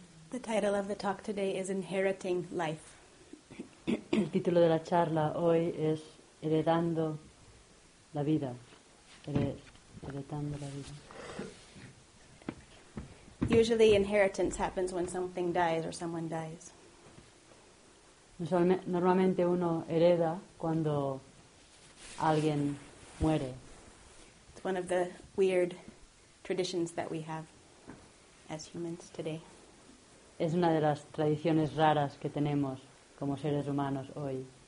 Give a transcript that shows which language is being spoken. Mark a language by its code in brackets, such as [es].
[en] The title of the talk today is Inheriting Life. [es] El título de la charla hoy es Heredando la vida. Heredando la vida. [en] Usually inheritance happens when something dies or someone dies. [es] Normalmente uno hereda cuando alguien muere. [en] It's one of the weird traditions that we have as humans today. [es] Es una de las tradiciones raras que tenemos como seres humanos hoy.